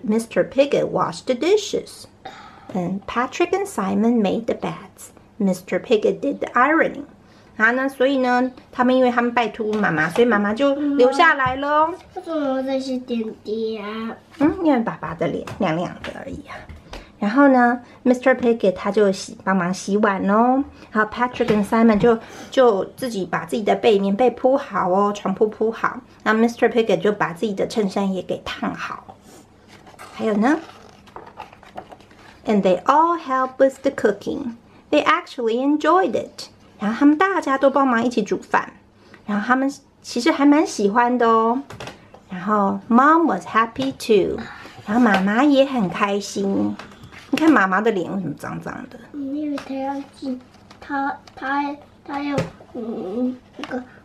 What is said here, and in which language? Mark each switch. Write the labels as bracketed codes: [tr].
[en] Piggott washed the dishes, and Patrick and Simon made the beds. Mr. Piggott did the ironing. [zh] 啊，那所以呢，他们因为他们拜托妈妈，所以妈妈就留下来了。为什么这些点点？因为爸爸的脸亮亮的而已啊。然后呢 ，Mr. Piggott 他就帮忙洗碗哦，然后 Patrick 跟 Simon 就自己把自己的棉被铺好哦，床铺铺好，那 Mr. Piggott 就把自己的衬衫也给烫好。还有呢 [en] ，And they all helped with the cooking. They actually enjoyed it. [zh] 然后他们大家都帮忙一起煮饭，然后他们其实还蛮喜欢的哦。然后 [en] Mom was happy too. [zh] 然后妈妈也很开心。你看妈妈的脸为什么脏脏的？因为她要进，她要那个